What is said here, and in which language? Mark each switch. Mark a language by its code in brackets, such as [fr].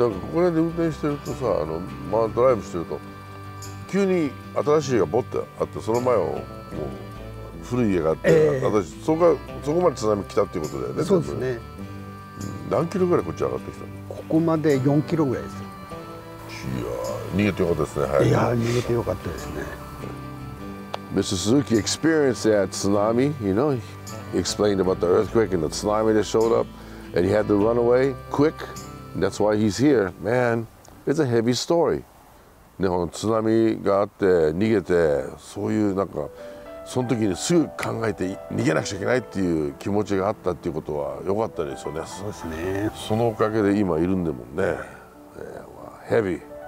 [ja] なんかここら辺で運転してるとさ、あのまあドライブしてると、急に新しい家がボッてあって、その前をもう古い家があって、私そこまで津波来たっていうことだよね。そうですね。何キロぐらいこっち上がってきたの？ここまで4キロぐらいです。いや逃げてよかったですね。早く。いや逃げてよかったですね。 [en] Mr. Suzuki experienced that tsunami, you know, he explained about the earthquake and the tsunami that showed up, and he had to run away quick, that's why he's here. Man, it's a heavy story. [ja] 日本の津波があって逃げて、そういうなんか、その時にすぐ考えて逃げなくちゃいけないっていう気持ちがあったっていうことは良かったですよね。そうですね。そのおかげで今いるんでもね。 [en] Heavy.